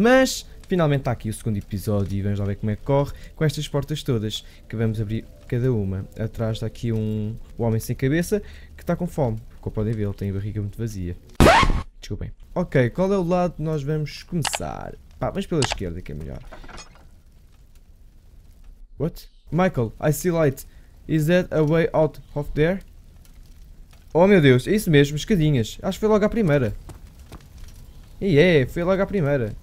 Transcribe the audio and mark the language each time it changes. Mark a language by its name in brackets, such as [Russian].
[Portuguese] Mas, finalmente está aqui o segundo episódio e vamos lá ver como é que corre com estas portas todas que vamos abrir cada uma. Atrás está aqui um homem sem cabeça que está com fome. Como podem ver, ele tem a barriga muito vazia. Desculpem. Ok, qual é o lado que nós vamos começar? Pá, vamos pela esquerda que é melhor. [English] What? Michael, I see light. Is that a way out of there? [Portuguese] Oh meu Deus, é isso mesmo, escadinhas. Acho que foi logo à primeira. E yeah, é, foi logo à primeira.